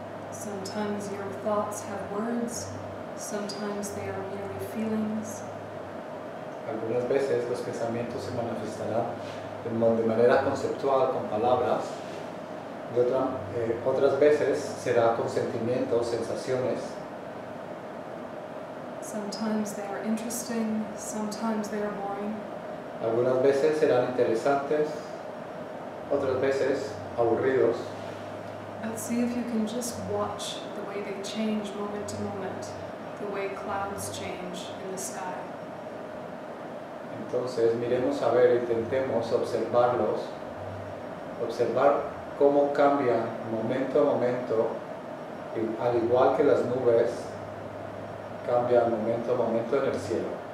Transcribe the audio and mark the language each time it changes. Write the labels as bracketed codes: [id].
[en] Sometimes your thoughts have words, sometimes they are merely feelings. [es] Algunas veces los pensamientos se manifestarán de manera conceptual con palabras, y otras veces será con sentimientos, sensaciones. [en] Sometimes they are interesting, sometimes they are boring. [es] Algunas veces serán interesantes, otras veces aburridos. [en] But see if you can just watch the way they change moment to moment, the way clouds change in the sky. [es] Entonces miremos a ver, intentemos observarlos, observar cómo cambian momento a momento, al igual que las nubes cambian momento a momento en el cielo.